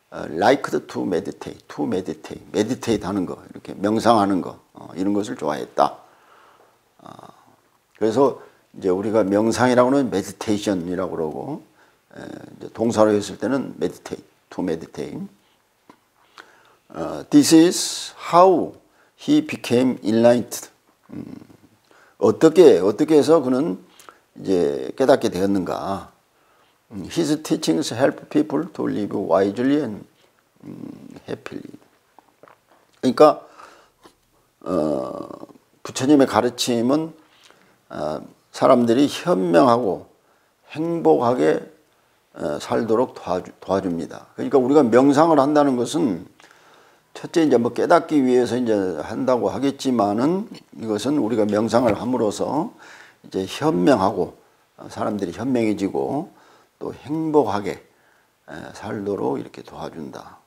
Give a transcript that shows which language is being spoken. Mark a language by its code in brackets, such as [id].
[en] liked to meditate. meditate 하는 거. [ko] 이렇게 명상하는 거. 이런 것을 좋아했다. 그래서 이제 우리가 명상이라고는 meditation이라고 그러고 이제 동사로 했을 때는 to meditate. [en] This is how he became enlightened. [ko] 어떻게 해서 그는 이제 깨닫게 되었는가? [en] His teachings help people to live wisely and happily. [ko] 그러니까 부처님의 가르침은 사람들이 현명하고 행복하게 살도록 도와줍니다. 그러니까 우리가 명상을 한다는 것은 첫째 이제 뭐 깨닫기 위해서 이제 한다고 하겠지만은 이것은 우리가 명상을 함으로써 이제 현명하고 사람들이 현명해지고 또 행복하게 살도록 이렇게 도와준다.